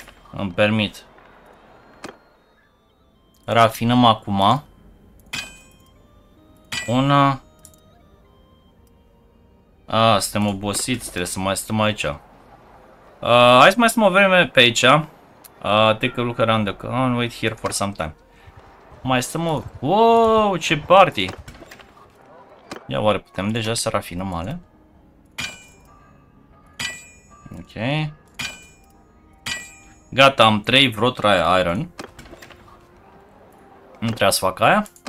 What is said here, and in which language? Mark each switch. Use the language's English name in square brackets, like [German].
[Romanian] Îmi permit. Rafinăm acum. Una. A, suntem obosiți, trebuie să mai stăm aici. Hai să mai stăm o vreme pe aici. [English] Take a look around the car and wait here for some time. [Romanian] Mai stăm o... Wow, ce party! Ia oare putem deja să rafinăm ale? Ok. Gata, am 3 wrought iron. Nu trebuie să fac aia.